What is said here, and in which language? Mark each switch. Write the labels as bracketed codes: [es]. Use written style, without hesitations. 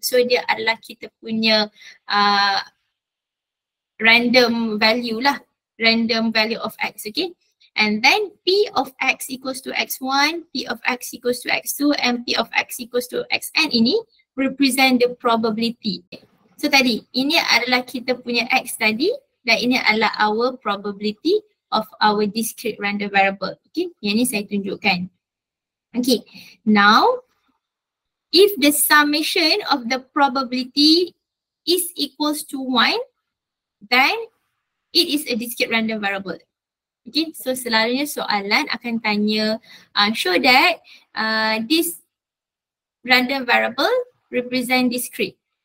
[ms] So dia adalah kita punya [en] random value [ms] lah. [en] Random value of X, okay? And then P of X equals to X1, P of X equals to X2 and P of X equals to Xn [ms] ini [en] represent the probability. So [ms] tadi, ini adalah kita punya X tadi dan ini adalah [en] our probability of our discrete random variable, okay? [ms] Yang ni saya tunjukkan. [en] Okay, now if the summation of the probability is equals to 1, then it is a discrete random variable. Okay, so [ms] selalunya soalan akan tanya, [en] show that this random variable represent discrete.